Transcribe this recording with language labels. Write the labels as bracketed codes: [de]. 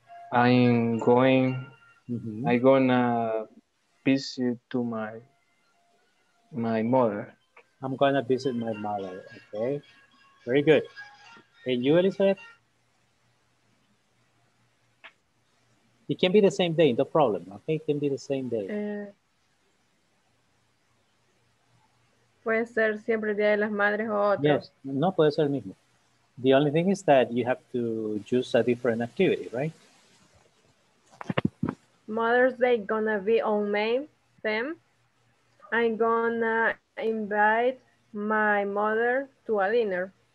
[en] I'm gonna visit to my mother. I'm gonna visit my mother, okay? Very good. And you, Elizabeth? It can be the same day, no problem. Okay, it can be the same day. [es] Puede ser siempre el Día de las Madres o otro. Yes, no puede ser el mismo. [en] The only thing is that you have to choose a different activity, right? Mother's Day gonna be on May 10th. I'm gonna invite my mother to a dinner.